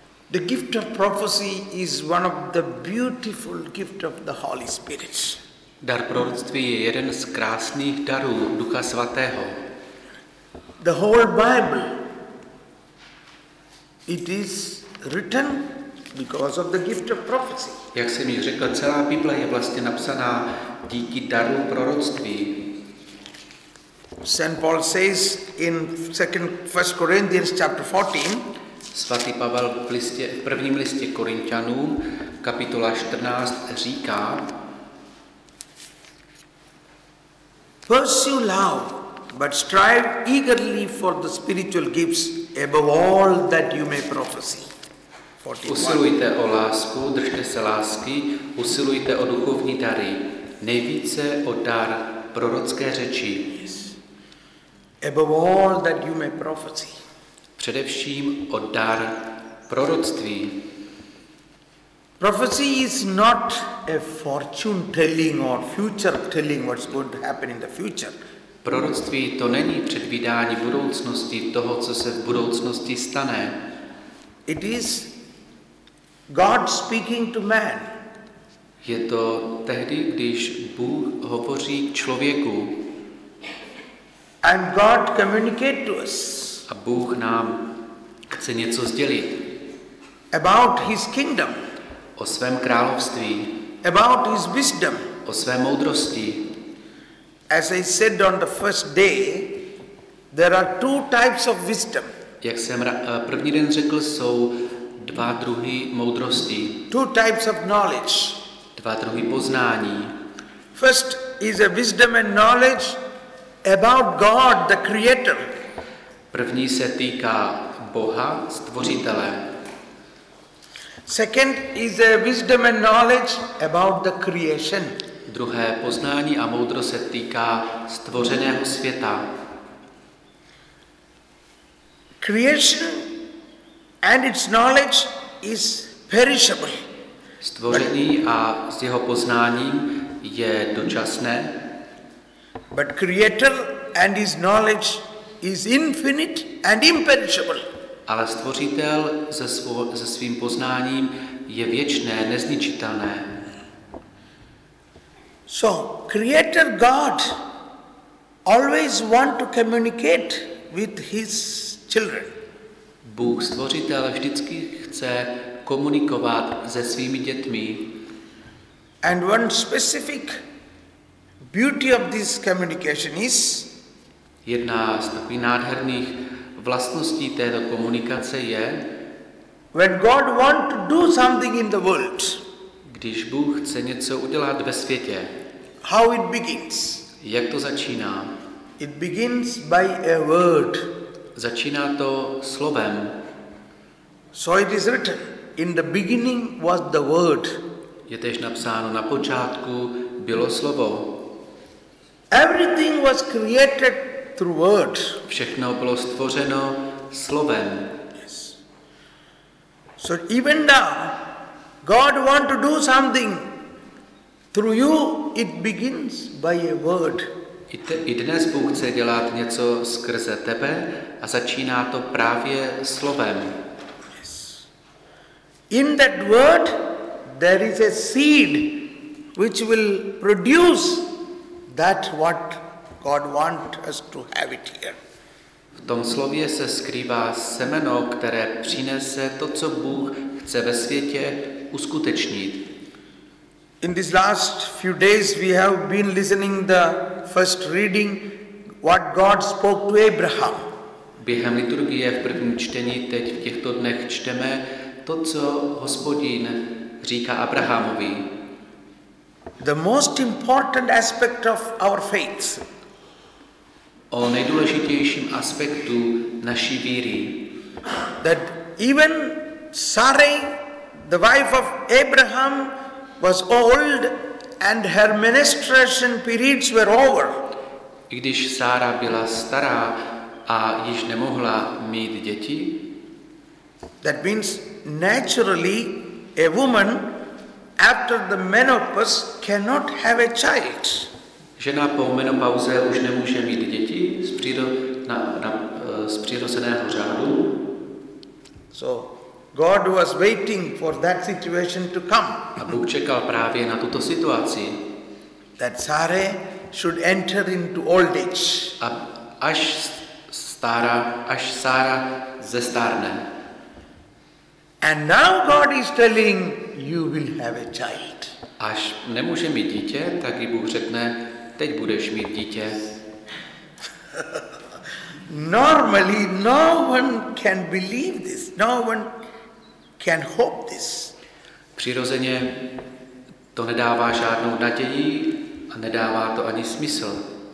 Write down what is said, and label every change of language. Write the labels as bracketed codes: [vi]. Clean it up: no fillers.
[en] The gift of prophecy is one of the beautiful gift of the Holy Spirit. [cs] Dar proroctví je jeden z krásných darů Ducha Svatého. [en] The whole Bible, it is written because of the gift of prophecy. [cs] Jak jsem již řekl, celá Bible je vlastně napsaná díky daru proroctví. [en] St. Paul says in 1 Corinthians chapter 14, [cs] svatý Pavel v listě, v prvním listě Korinťanům, kapitola 14, říká: [en] Pursue love, but strive eagerly for the spiritual gifts above all that you may prophesy. [cs] Usilujte o lásku, držte se lásky, usilujte o duchovní dary, nejvíce o dar prorocké řeči. [en] Yes. Above all that you may prophesy. [cs] Především o dar proroctví. [en] Prophecy is not a fortune telling or future telling what's going to happen in the future. [cs] Proroctví to není předvídání budoucnosti toho, co se v budoucnosti stane. [en] It is God speaking to man. [cs] Je to tehdy, když Bůh hovoří k člověku. [en] And God communicate to us. [cs] A Bůh nám chce něco sdělit. [en] About his kingdom. [cs] O svém království. [en] About his wisdom. [cs] O své moudrosti. [en] As I said on the first day, there are two types of wisdom. [cs] Jak jsem první den řekl, jsou dva druhy moudrosti. [en] Two types of knowledge. [cs] Dva druhy poznání. [en] First is a wisdom and knowledge about God, the creator. [cs] První se týká Boha, stvořitele. [en] Second is a wisdom and knowledge about the creation. [cs] Druhé poznání a moudro se týká stvořeného světa. [en] Creation and its knowledge is perishable. [cs] Stvoření a s jeho poznáním je dočasné. [en] But creator and his knowledge is infinite and imperishable. [cs] Ale stvořitel se svým poznáním je věčné, nezničitelné. [en] So, creator God always want to communicate with his children. [cs] Bůh stvořitel vždycky chce komunikovat se svými dětmi. [en] And one specific beauty of this communication is [cs] jedna z takových nádherných vlastností této komunikace je, [en] when God want to do something in the world, [cs] když Bůh chce něco udělat ve světě, [en] how it begins? [cs] Jak to začíná? [en] It begins by a word. [cs] Začíná to slovem. [en] So it is written, in the beginning was the word. [cs] Je též napsáno, na počátku bylo slovo. [en] Everything was created through word. [cs] Všechno bylo stvořeno slovem. [en] Yes. So even now, God want to do something through you, it begins by a word. [cs] I dnes Bůh chce dělat něco skrze tebe a začíná to právě slovem. [en] Yes. In that word, there is a seed which will produce that what God want us to have it here. [cs] V tom slově se skrývá semeno, které přinese to, co Bůh chce ve světě uskutečnit. [en] In these last few days we have been listening the first reading what God spoke to Abraham. [cs] Během liturgie v prvním čtení teď v těchto dnech čteme to, co Hospodin říká Abrahamovi. [en] The most important aspect of our faith. [cs] O nejdůležitějším aspektu naší víry. [en] That even Sarai, the wife of Abraham, was old and her menstruation periods were over. [cs] I když Sara byla stará a již nemohla mít děti, [en] That means naturally a woman after the menopause cannot have a child. [cs] Žena po menopauze už nemůže mít děti z přirozeného řádu. [en] So God was waiting for that situation to come. [cs] A Bůh čekal právě na tuto situaci. [en] That Sarah should enter into old age. [cs] A až stará, až Sara zestárne. [en] And now God is telling you will have a child. [cs] Až nemůže mít dítě, tak i Bůh řekne, teď budeš mít dítě. [en] Normally no one can believe this. No one can hope this. [cs] Přirozeně to nedává žádnou naději a nedává to ani smysl.